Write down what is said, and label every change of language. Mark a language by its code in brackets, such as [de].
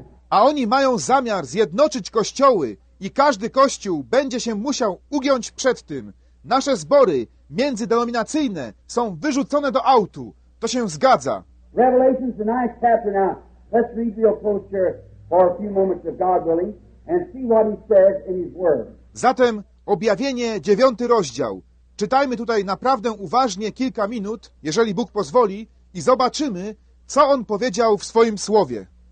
[pl] A oni mają zamiar zjednoczyć kościoły i każdy kościół będzie się musiał ugiąć przed tym. Nasze zbory międzydenominacyjne są wyrzucone do autu. To się zgadza. [en] Revelation's a nice chapter now. Let's read real close here for a few moments of God willing and see what he says in his word. [pl] Zatem objawienie 9 rozdział. Czytajmy tutaj naprawdę uważnie kilka minut, jeżeli Bóg pozwoli, i zobaczymy, co On powiedział w swoim Słowie.